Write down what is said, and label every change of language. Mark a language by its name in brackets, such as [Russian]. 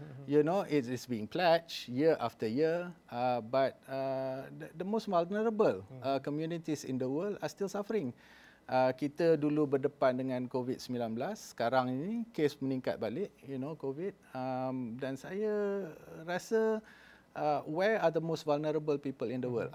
[English] You know, it is being pledged year after year, but the most vulnerable communities in the world are still suffering. [Malay] Kita dulu berdepan dengan COVID-19, sekarang ini kes meningkat balik, you know, COVID. Dan saya rasa, [English] where are the most vulnerable people in the world?